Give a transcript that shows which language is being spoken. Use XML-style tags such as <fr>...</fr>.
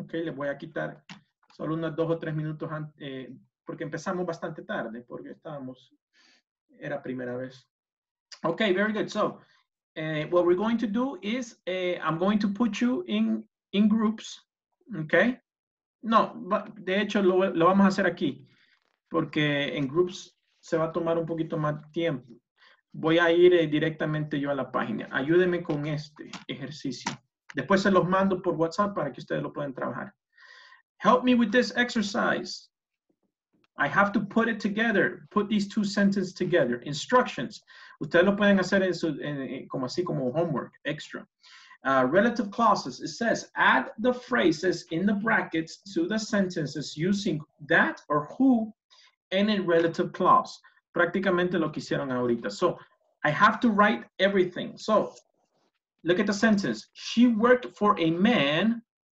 <es>Okay, le voy a quitar solo unos 2 o 3 minutos antes, porque empezamos bastante tarde, porque estábamos, era primera vez.</es> <en>Okay, very good. So what we're going to do is I'm going to put you in groups. Okay.</en> <es>No, de hecho lo vamos a hacer aquí porque en groups se va a tomar un poquito más tiempo. Voy a ir directamente yo a la página. Ayúdeme con este ejercicio. Después se los mando por WhatsApp para que ustedes lo puedan trabajar.</es> <en>Help me with this exercise. I have to put it together. Put these two sentences together. Instructions.</en> <es>Ustedes lo pueden hacer eso como así como homework extra.</es> <en>Relative clauses. It says add the phrases in the brackets to the sentences using that or who in a relative clause. Prácticamente lo que hicieron ahorita. So I have to write everything. So look at the sentence. She worked for a man.</en>